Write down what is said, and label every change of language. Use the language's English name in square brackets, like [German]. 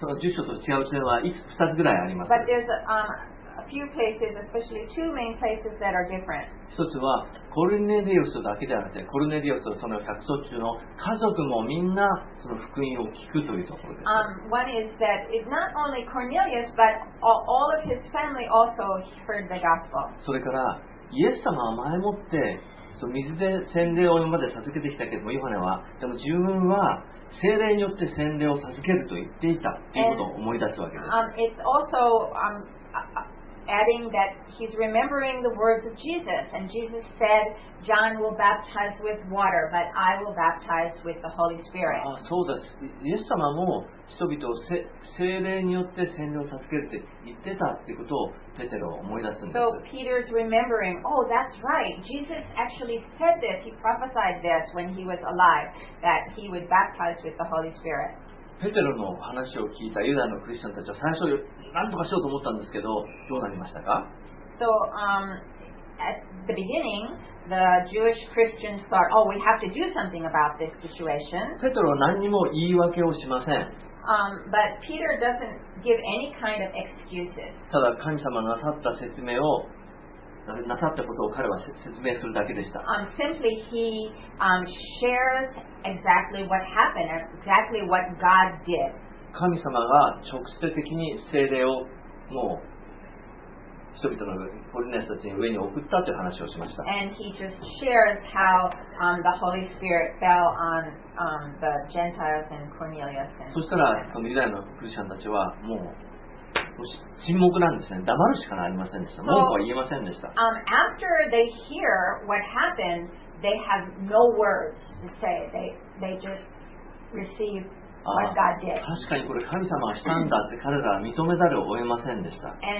[Japanese] その10章と違う点は2つぐらいあります。 [English] But there's a few places, especially two main places that are different. [Japanese] 一つはコルネリウスだけではなくて、コルネリウスとその客層中の家族もみんなその福音を聞くというところです。 [English] One is that it's not only Cornelius, but all of his family also heard the gospel. [Japanese] それからイエス様は前もってその水で洗礼を今まで授けてきたけども、ヨハネはでも自分は聖霊によって洗礼を授けると言っていたということを思い出すわけです。 [English] And, it's also adding that he's remembering the words of Jesus, and Jesus said, John will baptize with water, but I will baptize with the Holy Spirit. [Japanese] あ、そうです。イエス様も人々を聖霊によって洗礼を授けるって言ってたってことをペテロは思い出すんです。 [English] So Peter's remembering, oh, that's right. Jesus actually said this. He prophesied this when he was alive, that he would baptize with the Holy Spirit. [Japanese] ペテロの話を聞いたユダのクリスチャンたちは最初何とかしようと思ったんですけど、どうなりましたか？ [English] So, at the beginning, the Jewish Christians thought, oh, we have to do something about this situation. [Japanese] ペテロは何にも言い訳をしません。 [English] But Peter doesn't give any kind of excuses. [Japanese] ただ神様がなさった説明を、なさったことを彼は説明するだけでした。 [English] Simply, he, shares exactly what happened, exactly what God did. [Japanese] 神様が直接的に聖霊をもう人々のコルネリウスたちの上に送ったという話をしました。 [English] And he just shares how, the Holy Spirit fell on, the Gentiles and Cornelius. [Japanese] そしたらそのユダヤのクリスチャンたちはもう沈黙なんですね。黙るしかありませんでした。文句は言えませんでした。 [English] So, after they hear what happened, they have no words to say. They just receive. [Japanese] 確かにこれ神様がしたんだって彼らは認めざるを得ませんでした。